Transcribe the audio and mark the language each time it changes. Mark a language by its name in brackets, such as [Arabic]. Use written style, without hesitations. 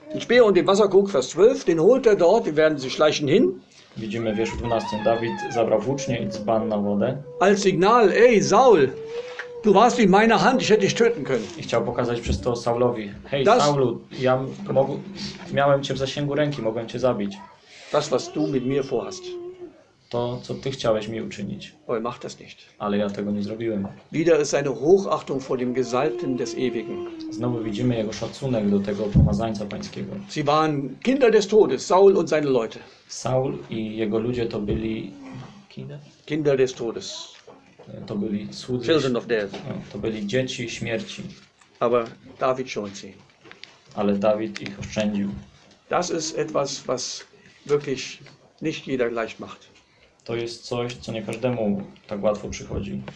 [German] Den Speer und den Wasserkrug, Vers 12, den holt er dort, die werden sie schleichen hin. [Polish] Widzimy w wierszu 12, David zabrał włócznie i dzban na wodę. [German] Als Signal, ey, Saul! Du warst in meiner Hand, ich hätte dich töten können. [Polish] I chciał pokazać przez to Saulowi. Hej, Saulu, ja miałem cię w zasięgu ręki, mogłem cię zabić. [German] Das, was du mit mir vorhast. [Polish] To, co ty chciałeś mi uczynić. [German] Oj, mach das nicht. [Polish] Ale ja tego nie zrobiłem. [German] Wieder ist eine Hochachtung vor dem Gesalten des Ewigen. [Polish] Znowu widzimy jego szacunek do tego pomazańca pańskiego. [German] Sie waren Kinder des Todes, Saul und seine Leute. [Polish] Saul i jego ludzie to byli... [German] Kinder des Todes. [Polish] To byli cudzy, [English] Children of death. [Polish] To byli dzieci śmierci. [German] Aber David schont sie. [Polish] Ale David ich oszczędził. [German] Das ist etwas, was wirklich nicht jeder leicht macht. [Polish] To jest coś, co nie każdemu tak łatwo przychodzi.